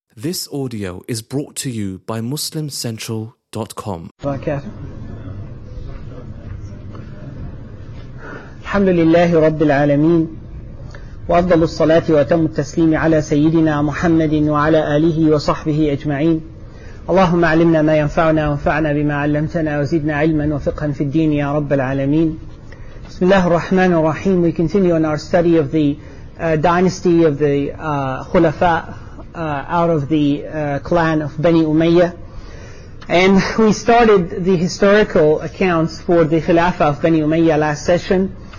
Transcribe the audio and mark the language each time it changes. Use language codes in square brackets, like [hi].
[en] This audio is brought to you by MuslimCentral.com. [ar] الحمد لله رب العالمين وأفضل الصلاة وأتم التسليم على سيدنا محمد وعلى آله وصحبه أجمعين. اللهم علمنا ما ينفعنا وانفعنا بما علمتنا وزدنا علما وفقها في الدين يا رب العالمين. بسم الله الرحمن الرحيم. [en] We continue on our study of the dynasty of the Khulafa out of the clan of Bani Umayyah. And we started the historical accounts for the Khilafah of Bani Umayyah last session.